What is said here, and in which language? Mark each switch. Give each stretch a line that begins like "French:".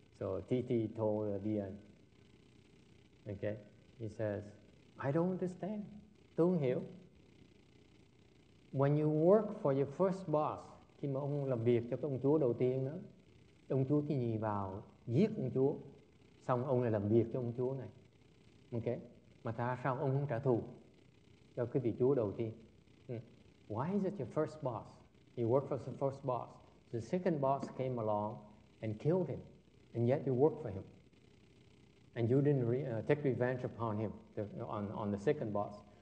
English: So TT told Dian, okay, he says, I don't understand.
Vietnamese: Tương hiểu.
English: When you work for your first boss,
Vietnamese: khi mà ông làm việc cho cái ông chúa đầu tiên đó, ông chúa thì nhìn vào giết ông chúa, xong ông lại làm việc cho ông chúa này. Okay. Mà ta sao ông không trả thù cho cái vị chúa đầu tiên?
English: Why is it your first boss? You work for the first boss. The second boss came along and killed him. And yet you work for him. And you didn't take revenge upon him, on the second boss.